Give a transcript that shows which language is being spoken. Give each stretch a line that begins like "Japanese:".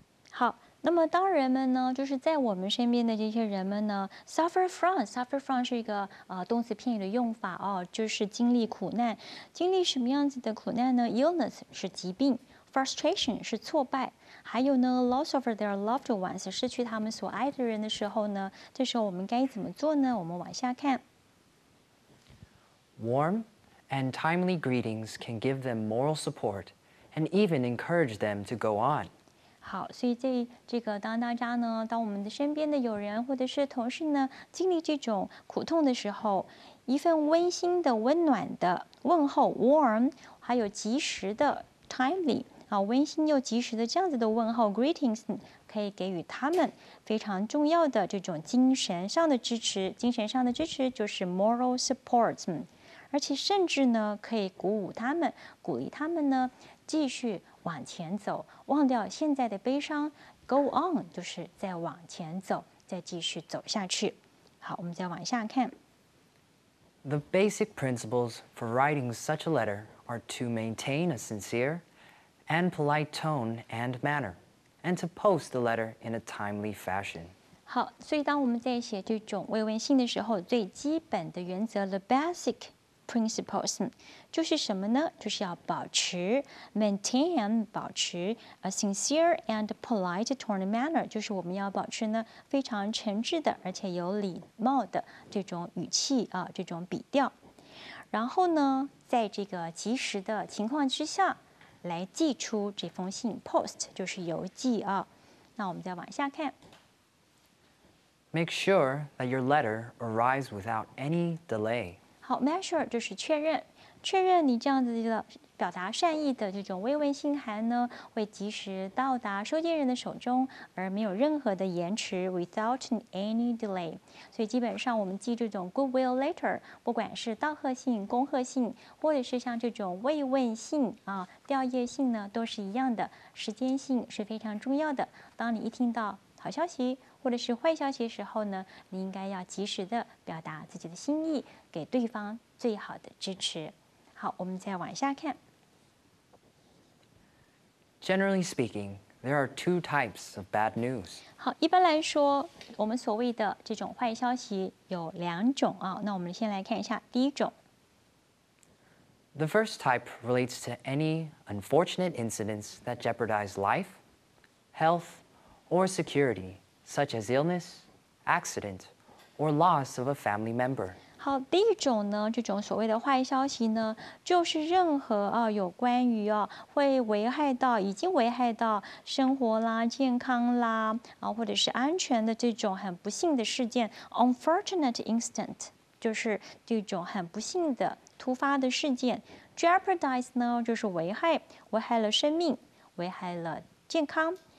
Chinese: 好，那么当人们呢，就是在我们身边的这些人们呢 ，suffer from 是一个动词片语的用法哦，就是经历苦难，经历什么样子的苦难呢 ？Illness 是疾病 ，frustration 是挫败，还有呢 ，
English: loss of their loved ones
Chinese: 失去他们所爱的人的时候呢，这时候我们该怎么做呢？我们往下看。
English: Warm. And timely greetings can give them moral support and even encourage them to go on.
Chinese: 好，所以这个当大家呢，当我们的身边的友人或者是同事呢，经历这种苦痛的时候，一份温馨的、温暖的问候 warm， 还有及时的 timely， 啊，温馨又及时的这样子的问候 greetings， 可以给予他们非常重要的这种精神上的支持。精神上的支持就是 moral support。而且甚至呢，可以鼓舞他们，鼓励他们呢，继续往前走，忘掉现在的悲伤 ，go on， 就是再往前走，再继续走下去。好，我们再往下看。
English: The basic principles for writing such a letter are to maintain a sincere and polite tone and manner, and to post the letter in a timely fashion.
Chinese: 好，所以当我们在写这种慰问信的时候，最基本的原则 ，the basic。 principles 就是什么呢？就是要保持 maintain 保持
English: a sincere and polite tone and manner，
Chinese: 就是我们要保持呢非常诚挚的，而且有礼貌的这种语气啊，这种笔调。然后呢，在这个及时的情况之下，来寄出这封信 ，post 就是邮寄啊。那我们再往下看。
English: Make sure that your letter arrives without any delay.
Chinese: 好 ，measure 就是确认，确认你这样子的表达善意的这种慰问信函呢，会及时到达收件人的手中，而没有任何的延迟 ，
English: without any delay。
Chinese: 所以基本上我们寄这种 goodwill letter， 不管是道贺信、恭贺信，或者是像这种慰问信啊、吊唁信呢，都是一样的，时间性是非常重要的。当你一听到好消息。或者是坏消息的时候呢，你应该要及时的表达自己的心意，给对方最好的支持。好，我们再往下看。
English: Generally speaking, there are two types of bad news.
Chinese: 好，一般来说，我们所谓的这种坏消息有两种啊。那我们先来看一下第一种。
English: The first type relates to any unfortunate incidents that jeopardize life, health, or security. Such as illness, accident, or loss of a family member.
Chinese: 好，第一种呢，这种所谓的坏消息呢，就是任何啊有关于啊会危害到已经危害到生活啦、健康啦啊或者是安全的这种很不幸的事件 ，unfortunate incident， 就是这种很不幸的突发的事件 ，jeopardize 呢就是危害了生命，危害了健康。